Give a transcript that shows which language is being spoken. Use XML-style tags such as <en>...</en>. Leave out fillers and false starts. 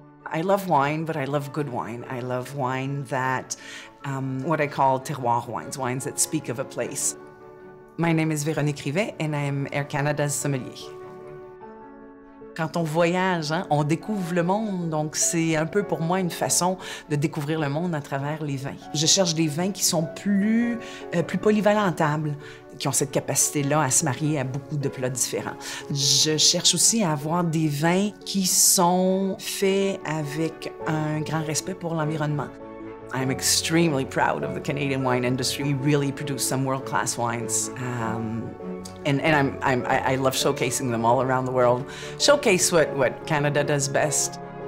<en>I love wine, but I love good wine. I love wine that, what I call terroir wines, wines that speak of a place. My name is Véronique Rivest, and I'm Air Canada's sommelier.</en> <fr>Quand on voyage, hein, on découvre le monde, donc c'est un peu pour moi une façon de découvrir le monde à travers les vins. Je cherche des vins qui sont plus polyvalents à table, qui ont cette capacité-là à se marier à beaucoup de plats différents. Je cherche aussi à avoir des vins qui sont faits avec un grand respect pour l'environnement.</fr> <en>I'm extremely proud of the Canadian wine industry. We really produce some world-class wines. And I love showcasing them all around the world. Showcase what Canada does best.</en>